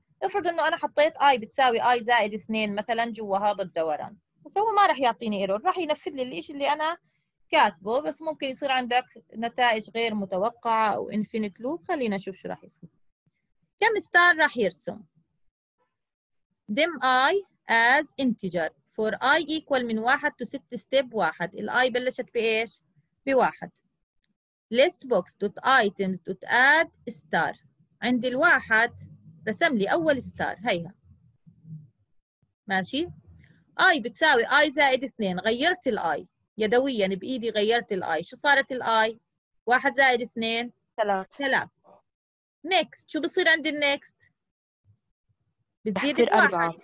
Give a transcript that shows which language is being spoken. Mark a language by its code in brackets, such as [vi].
[ar] افرض انه انا حطيت اي بتساوي اي زائد اثنين مثلا جوا هذا الدوران، بس هو ما راح يعطيني ايرور، راح ينفذ لي الشيء اللي انا كاتبه، بس ممكن يصير عندك نتائج غير متوقعه او انفينيت لوب. خلينا نشوف شو راح يصير. كم ستار راح يرسم؟ [en] dim I as integer for I equal من واحد to ست [ar] ستيب واحد، الاي بلشت بايش؟ بواحد. [en] list box dot items dot add star، [ar] عند الواحد رسم لي أول [en] star هيها. [ar] ماشي؟ i بتساوي i زائد 2، غيرت ال i يدويا بإيدي، غيرت ال i، شو صارت ال i؟ 1 زائد 2 3. 3 next شو بصير عند ال next؟ بتزيد ال 4،